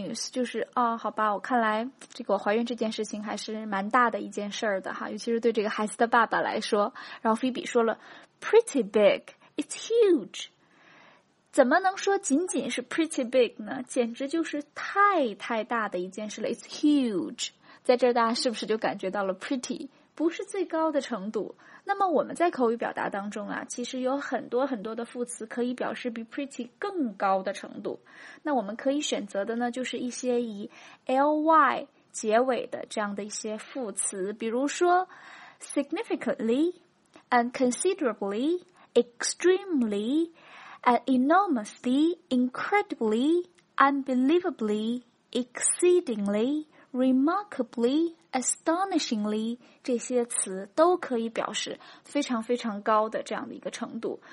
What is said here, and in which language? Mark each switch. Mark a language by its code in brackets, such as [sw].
[zh] 就是哦，好吧，我看来这个我怀孕这件事情还是蛮大的一件事儿的哈，尤其是对这个孩子的爸爸来说。然后 Phoebe 说了 [en] pretty big, it's huge, [zh] 怎么能说仅仅是 [en] pretty big [zh] 呢？简直就是太太大的一件事了， [en] it's huge。 [zh] 在这儿大家是不是就感觉到了 pretty 不是最高的程度？那么我们在口语表达当中啊，其实有很多很多的副词可以表示比 pretty 更高的程度。那我们可以选择的呢，就是一些以 ly 结尾的这样的一些副词，比如说 significantly, and considerably, extremely, and enormously, incredibly, unbelievably, exceedingly,remarkably, astonishingly, 这些词都可以表示非常非常高的这样的一个程度。